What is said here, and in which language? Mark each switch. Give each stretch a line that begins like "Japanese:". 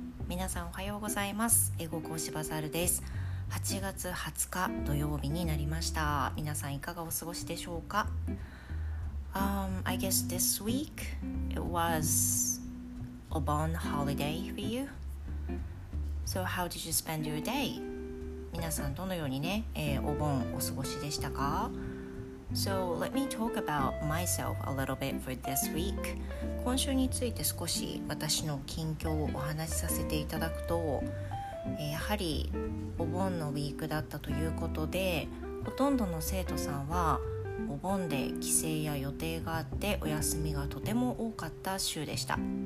Japanese: 皆さんおはようございます。英語講師バザールです。8月20日土曜日になりました。皆さんいかがお過ごしでしょうか?
English: I guess this week it was Obon holiday for you. So how did you spend your day?
Japanese: 皆さんどのようにね、お盆お過ごしでしたか?
English: So let me talk about myself a little bit for this week.
Japanese: 今週について少し私の近況をお話しさせていただくと、やはりお盆のウィークだったということで、ほとんどの生徒さんはお盆で帰省や予定があってお休みがとても多かった週でした。